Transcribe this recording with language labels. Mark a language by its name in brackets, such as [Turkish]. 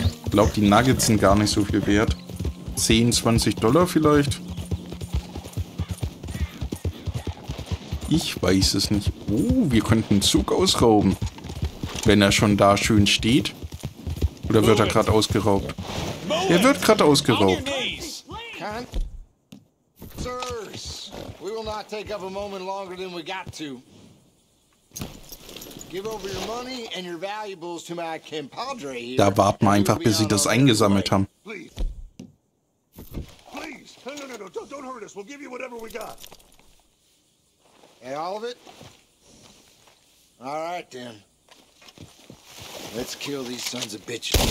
[German] Ich glaube, die Nuggets sind gar nicht so viel wert. 10, 20 Dollar vielleicht. Ich weiß es nicht. Oh, wir könnten Zug ausrauben. Wenn er schon da schön steht. Oder wird er gerade ausgeraubt? Er wird gerade ausgeraubt. [English] Sirs, we will not take up a moment longer than we got to. Give over your money and your valuables to my compadre here. [German] Da warten wir einfach, bis sie das eingesammelt haben. [English] Please, no, no, no, don't hurt us. We'll give you whatever we got. And all of it? All right then. Let's kill these sons of bitches.